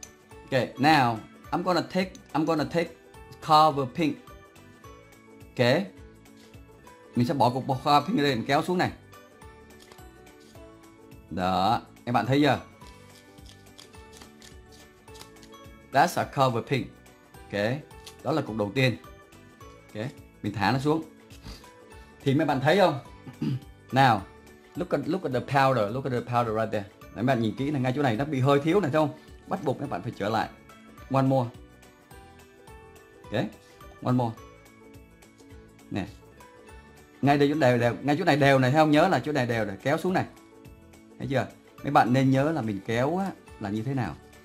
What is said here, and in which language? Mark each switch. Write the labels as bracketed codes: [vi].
[en] Ok, now I'm gonna take cover pink. [vi] Ok, mình sẽ bỏ cục cover pink lên, kéo xuống này. Đó, mấy bạn thấy chưa? [en] That's a cover pink. [vi] Ok, đó là cục đầu tiên. Ok, mình thả nó xuống. Thì mấy bạn thấy không? [en] Now, look at the powder right there. [vi] Đấy, mấy bạn nhìn kỹ là ngay chỗ này nó bị hơi thiếu này, thấy không? Bắt buộc mấy bạn phải trở lại. [en] One more. [vi] Ok, [en] one more. [vi] Nè. Ngay đây chỗ này đều, ngay chỗ này đều này, thấy không? Nhớ là chỗ này đều này, kéo xuống này. Thấy chưa? Mấy bạn nên nhớ là mình kéo á, là như thế nào.